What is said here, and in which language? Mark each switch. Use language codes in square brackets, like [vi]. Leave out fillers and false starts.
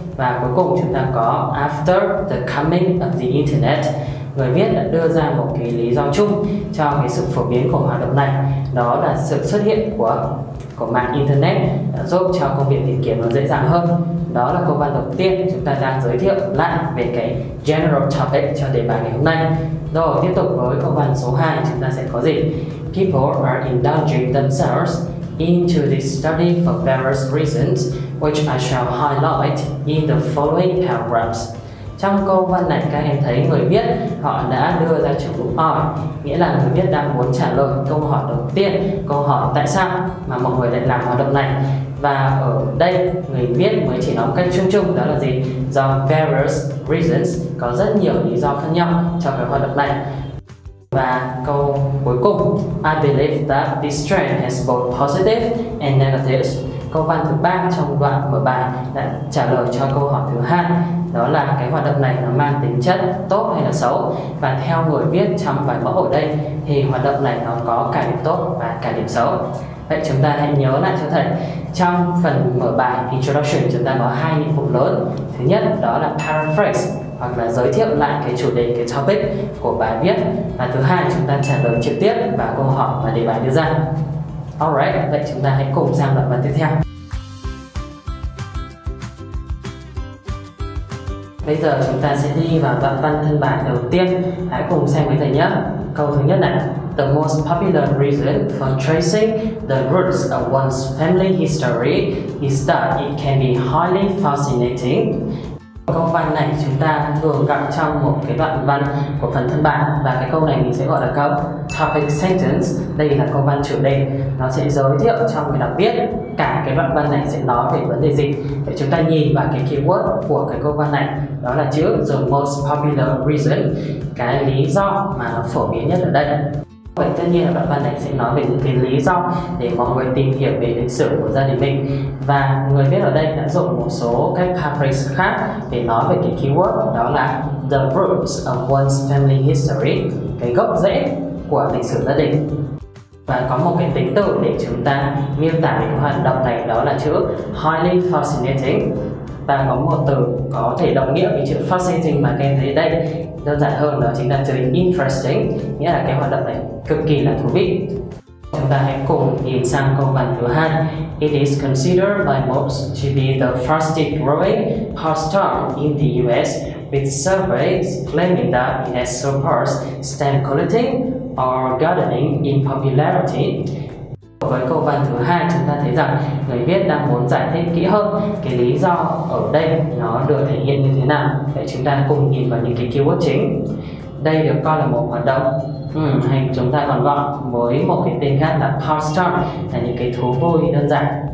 [vi] Và cuối cùng chúng ta có [en] after the coming of the internet, [vi] người viết đã đưa ra một cái lý do chung cho cái sự phổ biến của hoạt động này, đó là sự xuất hiện của mạng internet đã giúp cho công việc tìm kiếm nó dễ dàng hơn. Đó là câu văn đầu tiên chúng ta đang giới thiệu lại về cái general topic cho đề bài ngày hôm nay. Rồi tiếp tục với câu văn số 2 chúng ta sẽ có gì? [en] People are indulging themselves into this study for various reasons, which I shall highlight in the following paragraphs. [vi] Trong câu văn này các em thấy người viết họ đã đưa ra chủ ngữ are, nghĩa là người viết đang muốn trả lời câu hỏi đầu tiên, câu hỏi tại sao mà mọi người lại làm hoạt động này. Và ở đây người viết mới chỉ nói một cách chung chung, đó là gì? [en] Do various reasons, [vi] có rất nhiều lý do khác nhau cho cái hoạt động này. Và câu cuối cùng, [en] I believe that this trend has both positive and negatives. [vi] Câu văn thứ 3 trong đoạn mở bài đã trả lời cho câu hỏi thứ 2, đó là cái hoạt động này nó mang tính chất tốt hay là xấu. Và theo người viết trong bài mẫu ở đây thì hoạt động này nó có cả điểm tốt và cả điểm xấu. Vậy chúng ta hãy nhớ lại cho thầy, trong phần mở bài introduction chúng ta có hai nhiệm vụ lớn. Thứ nhất đó là paraphrase, hoặc là giới thiệu lại cái chủ đề, cái topic của bài viết. Và thứ hai chúng ta trả lời trực tiếp vào câu hỏi mà đề bài đưa ra. Alright, vậy chúng ta hãy cùng sang đoạn văn tiếp theo. Bây giờ chúng ta sẽ đi vào đoạn văn thân bài đầu tiên. Hãy cùng xem với thầy nhé. Câu thứ nhất này: [en] The most popular reason for tracing the roots of one's family history is that it can be highly fascinating. [vi] Câu văn này chúng ta thường gặp trong một cái đoạn văn của phần thân bài, và cái câu này mình sẽ gọi là câu topic sentence. Đây là câu văn chủ đề, nó sẽ giới thiệu cho người đọc biết cả cái đoạn văn này sẽ nói về vấn đề gì. Để chúng ta nhìn vào cái keyword của cái câu văn này, đó là chữ [en] the most popular reason, [vi] cái lý do mà nó phổ biến nhất ở đây. Vậy tất nhiên là đoạn văn này sẽ nói về những cái lý do để mọi người tìm hiểu về lịch sử của gia đình mình. Và người viết ở đây đã dùng một số cách paraphrase khác để nói về cái keyword, đó là [en] the roots of one's family history, [vi] cái gốc rễ của lịch sử gia đình. Và có một cái tính từ để chúng ta miêu tả về hoạt động này, đó là chữ [en] highly fascinating. [vi] Và có một từ có thể đồng nghĩa với chữ fascinating mà các em thấy đây đơn giản hơn, đó chính là chữ interesting, nghĩa là cái hoạt động này cực kỳ là thú vị. Chúng ta hãy cùng nhìn sang câu văn thứ hai. [en] It is considered by most to be the fastest growing pastime in the US, with surveys claiming that it has surpassed stamp collecting or gardening in popularity. [vi] Với câu văn thứ hai, chúng ta thấy rằng người viết đang muốn giải thích kỹ hơn cái lý do ở đây nó được thể hiện như thế nào. Để chúng ta cùng nhìn vào những cái keyword chính. Đây được coi là một hoạt động, hay chúng ta còn gọi với một cái tên khác là pastime, là những cái thú vui đơn giản.